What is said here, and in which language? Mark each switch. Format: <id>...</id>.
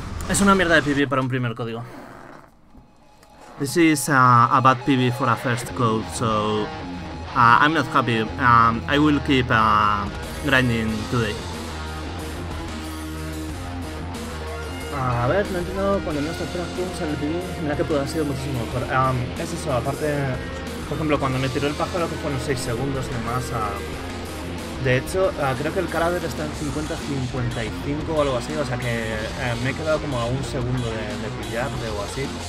<es>Es una mierda de PB para un primer código.</es> <en>This is a bad PB for a first code, so I'm not happy. I will keep grinding today.</en> <es>A ver, no entiendo cuando no estás tranquilo sale el PB. Mira que puede haber sido muchísimo mejor. Es eso, aparte, por ejemplo, cuando me tiró el pájaro, que fueron 6 segundos nomás. De hecho, creo que el cadáver está en 50-55 o algo así, o sea que me he quedado como a un segundo de pillar de o así.</es>